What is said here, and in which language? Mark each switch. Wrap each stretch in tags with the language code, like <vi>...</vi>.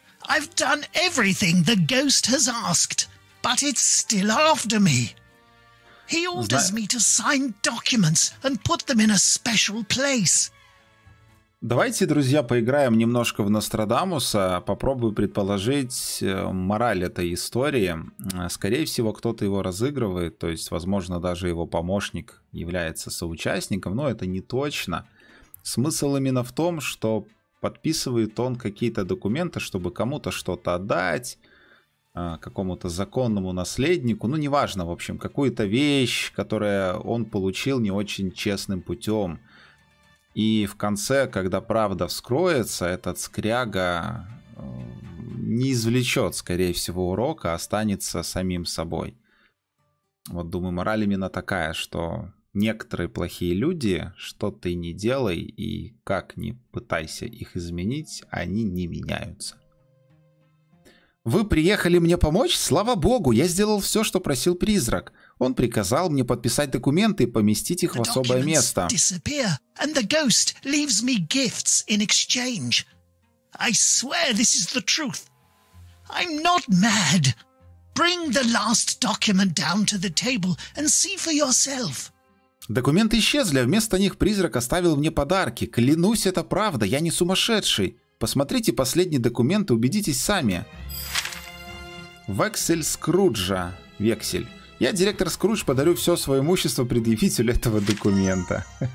<en>I've done everything the ghost has asked, but it's still after me. He orders me to sign documents and put them in a special place.</en> <ru>Давайте, друзья, поиграем немножко в Нострадамуса. Попробую предположить мораль этой истории. Скорее всего, кто-то его разыгрывает, то есть, возможно, даже его помощник является соучастником, но это не точно. Смысл именно в том, что подписывает он какие-то документы, чтобы кому-то что-то отдать, какому-то законному наследнику, ну, неважно, в общем, какую-то вещь, которую он получил не очень честным путем. И в конце, когда правда вскроется, этот скряга не извлечет, скорее всего, урока, а останется самим собой. Вот, думаю, мораль именно такая, что... Некоторые плохие люди, что ты не делай и как ни пытайся их изменить, они не меняются. Вы приехали мне помочь? Слава богу, я сделал все, что просил призрак. Он приказал мне подписать документы и поместить их в особое место.</ru> <en>Disappear, and the ghost leaves me gifts in exchange. I swear this is the truth. I'm not mad. Bring the last document down to the table and see for yourself.</en> <ru>Документы исчезли, а вместо них призрак оставил мне подарки. Клянусь, это правда, я не сумасшедший. Посмотрите последний документ и убедитесь сами. Вексель Скруджа. Вексель. Я, директор Скрудж, подарю все свое имущество предъявителю этого документа.</ru>